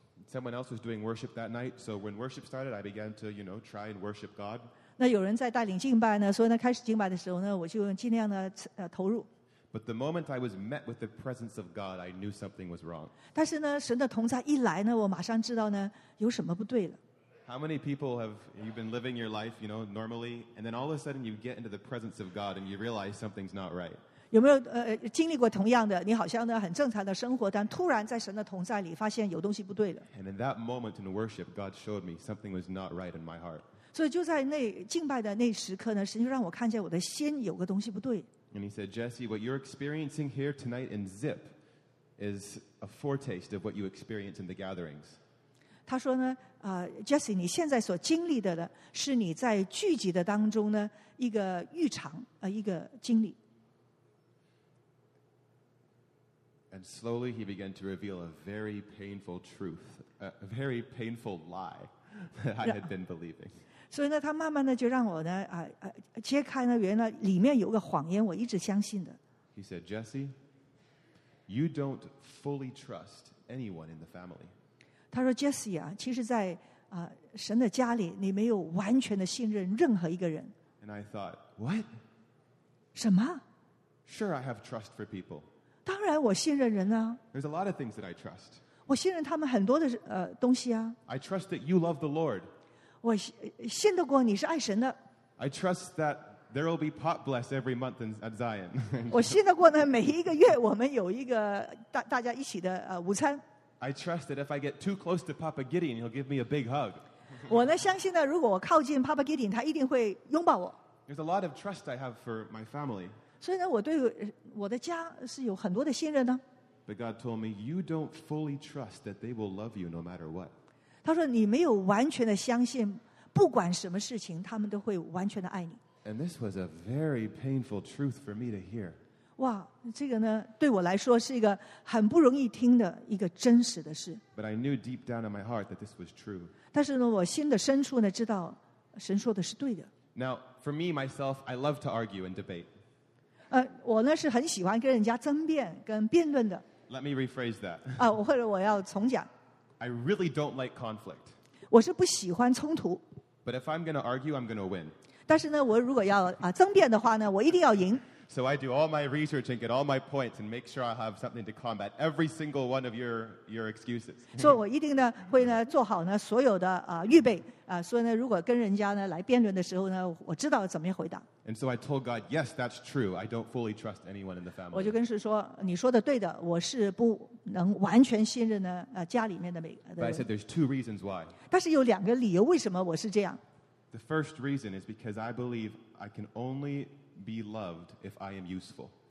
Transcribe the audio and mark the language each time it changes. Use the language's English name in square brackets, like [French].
[English] Someone else was doing worship that night, so when worship started, I began to try and worship God. [Chinese] 那有人在带领敬拜呢，所以呢开始敬拜的时候呢，我就尽量的投入。 [English] But the moment I was met with the presence of God, I knew something was wrong. [Chinese] 但是呢，神的同在一来呢，我马上知道呢，有什么不对了。 [English] How many people have you been living your life, normally, and then all of a sudden you get into the presence of God and you realize something's not right? [Chinese] 有没有经历过同样的？你好像呢很正常的生活，但突然在神的同在里发现有东西不对了。 [English] And in that moment in worship, God showed me something was not right in my heart. [Chinese] 所以就在那敬拜的那时刻呢，神就让我看见我的心有个东西不对。 [English] And he said, Jesse, what you're experiencing here tonight in ZIP is a foretaste of what you experience in the gatherings. [Chinese] 他说呢Jesse, 你现在所经历的呢是你在聚集的当中呢一个预尝一个经历。 [English] And slowly he began to reveal a very painful truth, a very painful lie that I had been believing. [Chinese] 所以呢，他慢慢的就让我呢，揭开呢，原来里面有个谎言，我一直相信的。 [English] He said, Jesse, you don't fully trust anyone in the family. [Chinese] 他说 ，Jesse 啊，其实在神的家里，你没有完全的信任任何一个人。 [English] And I thought, what? [Chinese] 什么 [English] ？Sure, I have trust for people. [Chinese] 当然，我信任人啊。 [English] There's a lot of things that I trust. [Chinese] 我信任他们很多的东西啊。 [English] I trust that you love the Lord. [Chinese] 我信得过你是爱神的。 [English] I trust that there will be pot bless every month at Zion. [Chinese] 我信得过呢，每一个月我们有一个大家一起的午餐。 [English] I trust that if I get too close to Papa Gideon, he'll give me a big hug. [Chinese] 我呢相信呢，如果我靠近 Papa Gideon, 他一定会拥抱我。 [English] There's a lot of trust I have for my family. [Chinese] 所以呢，我对我的家是有很多的信任呢。 [English] But God told me, you don't fully trust that they will love you no matter what. [Chinese] 他说：“你没有完全的相信，不管什么事情，他们都会完全的爱你。” [English] And this was a very painful truth for me to hear. [Chinese] 哇，这个呢，对我来说是一个很不容易听的一个真实的事。 [English] But I knew deep down in my heart that this was true. [Chinese] 但是呢，我心的深处呢，知道神说的是对的。 [English] Now, for me myself, I love to argue and debate. [Chinese] 我呢是很喜欢跟人家争辩、跟辩论的。 [English] Let me rephrase that. [Chinese] 或者我要重讲。 [English] I really don't like conflict. [Chinese] 我是不喜欢冲突。 [English] But if I'm going to argue, I'm going to win. [Chinese] 但是呢，我如果要争辩的话呢，我一定要赢。 [English] So I do all my research and get all my points and make sure I have something to combat every single one of your excuses. [Chinese] 所以我一定呢会呢做好呢所有的预备所以呢如果跟人家呢来辩论的时候呢我知道怎么回答。 [English] And so I told God, yes, that's true. I don't fully trust anyone in the family. [Chinese] 我就跟神说，你说的对的，我是不能完全信任呢家里面的每个。 [English] But I said there's two reasons why. [Chinese] 但是有两个理由为什么我是这样。 [English] The first reason is because I believe I can only be loved if I am useful.